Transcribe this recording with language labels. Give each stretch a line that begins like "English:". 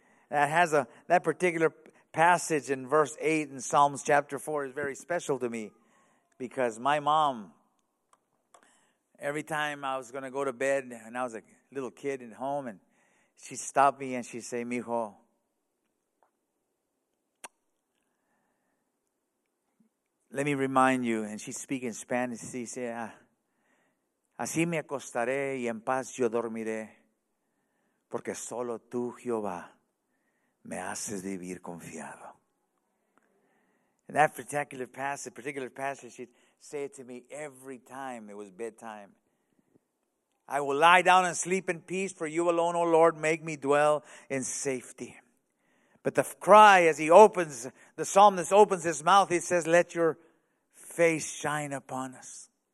English: That has a that particular passage in verse 8 in Psalms chapter 4 is very special to me, because my mom, every time I was going to go to bed and I was a little kid at home, and she stopped me and she say, mijo, let me remind you. And she speak in Spanish. She say,
Spanish: así me acostaré y en paz yo dormiré, porque solo tú, Jehová, me haces vivir confiado.
English: And that particular passage, she'd say it to me every time it was bedtime. I will lie down and sleep in peace, for you alone, O Lord, make me dwell in safety. But the cry, as he opens, the psalmist opens his mouth, he says, let your face shine upon us.